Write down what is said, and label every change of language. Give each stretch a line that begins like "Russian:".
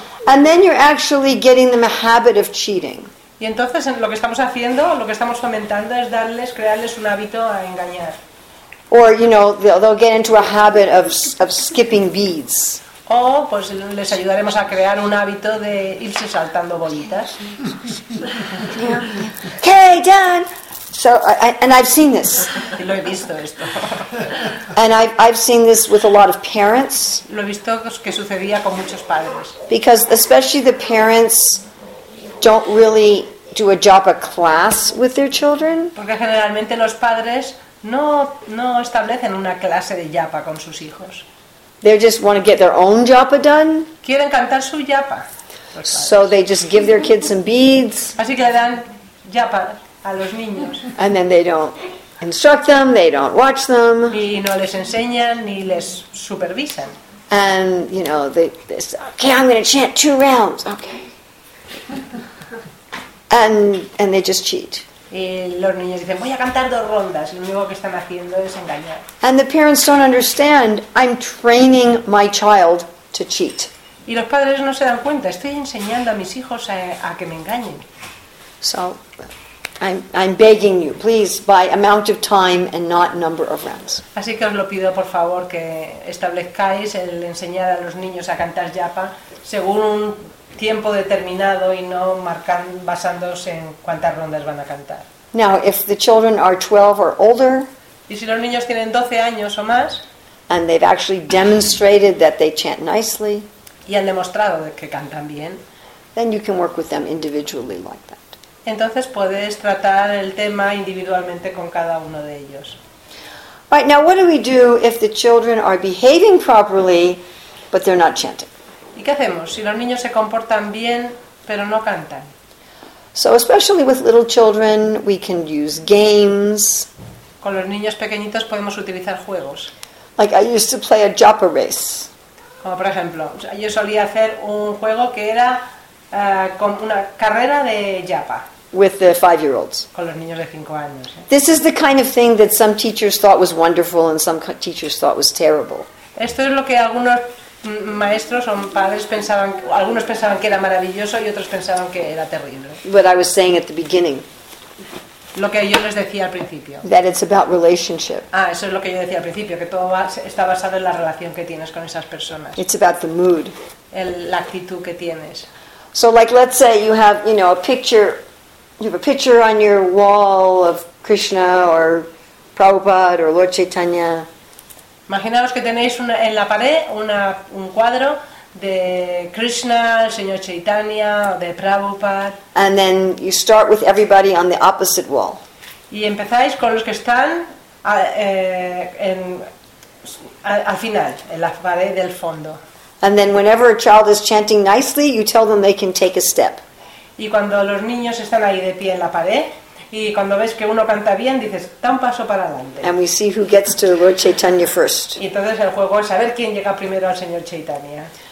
English: And then you're actually getting them a habit of cheating.
Spanish: Y entonces lo que estamos haciendo, lo que estamos fomentando es darles, crearles un hábito a engañar.
English: Or, you know, they'll get into a habit of skipping beads.
Spanish: O pues les ayudaremos a crear un hábito de irse saltando bolitas.
English: Okay, done. So and I've seen this.
Spanish: Lo he visto esto.
English: And I've seen this with a lot of parents.
Spanish: Lo he visto que sucedía con muchos padres.
English: Because especially the parents don't really do a japa class with their children.
Spanish: Porque generalmente los padres no establecen una clase de japa con sus hijos.
English: They just want to get their own japa done.
Spanish: Quieren cantar su japa.
English: So they just give their kids some beads.
Spanish: Así que le dan japa a los niños.
English: And then they don't instruct them, they don't watch them.
Spanish: Y no les enseñan ni les supervisan.
English: And you know, they say, okay, I'm going to chant two rounds. Okay. And they just cheat.
Spanish: Y los niños dicen, voy a cantar dos rondas, y lo único que están haciendo es engañar.
English: And the parents don't understand, I'm training my child to cheat.
Spanish: Y los padres no se dan cuenta, estoy enseñando a mis hijos a que me engañen.
English: So I'm begging you, please, by amount of time and not number of rounds.
Spanish: Así que os lo pido, por favor, que establezcáis el enseñar a los niños a cantar yapa según un tiempo determinado y no basándose en cuántas rondas van a cantar.
English: Now, if the children are 12 or older,
Spanish: y si los niños tienen 12 años o más,
English: and they've actually demonstrated that they chant nicely,
Spanish: y han demostrado que cantan bien,
English: then you can work with them individually like that.
Spanish: Entonces puedes tratar el tema individualmente con cada uno de ellos.
English: Right, now what do we do if the children are behaving properly but they're not chanting?
Spanish: ¿Y qué hacemos si los niños se comportan bien pero no cantan?
English: So especially with little children we can use games.
Spanish: Con los niños pequeñitos podemos utilizar juegos.
English: Like I used to play a japa race.
Spanish: Como por ejemplo, yo solía hacer un juego que era con una carrera de yapa.
English: With the five-year-olds.
Spanish: Con los niños de 5 años. ¿Eh?
English: This is the kind of thing that some teachers thought was wonderful and some teachers thought was terrible.
Spanish: Esto es lo que algunos maestros o padres pensaban, algunos pensaban que era maravilloso y otros pensaban que era terrible.
English: What I was saying at the beginning.
Spanish: Lo que yo les decía al principio.
English: That it's about relationship.
Spanish: Ah, eso es lo que yo decía al principio, que todo está basado en la relación que tienes con esas personas.
English: It's about the mood.
Spanish: La actitud que tienes.
English: So like let's say you have, you know, a picture, you have a picture on your wall of Krishna or Prabhupada or Lord Chaitanya.
Spanish: Imaginaos que tenéis en la pared un cuadro de Krishna, el señor Chaitanya, de Prabhupada.
English: And then you start with everybody on the opposite wall.
Spanish: Y empezáis con los que están al final, en la pared del fondo.
English: And then whenever a child is chanting nicely, you tell them they can take a step.
Spanish: Y cuando los niños están ahí de pie en la pared, y cuando ves que uno canta bien, dices, da un paso para adelante.
English: And we see who gets to Lord Chaitanya first.
Spanish: Y entonces el juego es a ver quién llega primero al señor Chaitanya.